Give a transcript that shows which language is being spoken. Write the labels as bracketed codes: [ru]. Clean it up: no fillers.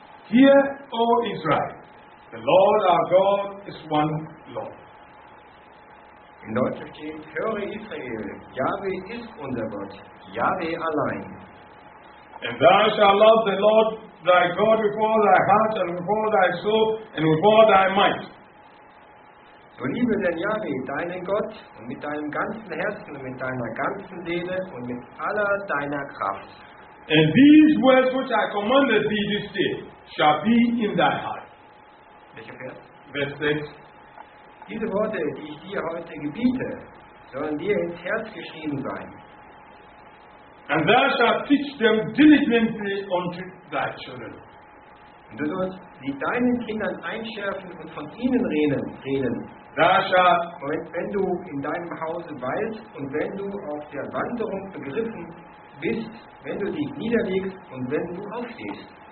[en] Hear, O Israel, the Lord our God is one Lord. [de] In Deutsch steht, höre Israel, Yahweh ist unser Gott, Yahweh allein. [en] And thou shalt love the Lord thy God with all thy heart and with all thy soul and with all thy might. [de] Du liebe den Yahweh, deinen Gott, und mit deinem ganzen Herzen, mit deiner ganzen Seele und mit aller deiner Kraft. [en] And these words which I commanded thee this day shall be in thy heart. [de] Welcher Vers? Vers 6. Diese Worte, die ich dir heute gebiete, sollen dir ins Herz geschrieben sein. [en] And thou shalt teach them diligently unto thy children. [de] Und du sollst sie deinen Kindern einschärfen und von ihnen reden. [en] Thou shalt, [de] wenn du in deinem Hause weilst und wenn du auf der Wanderung begriffen bist, wenn du dich niederlegst und wenn du aufstehst.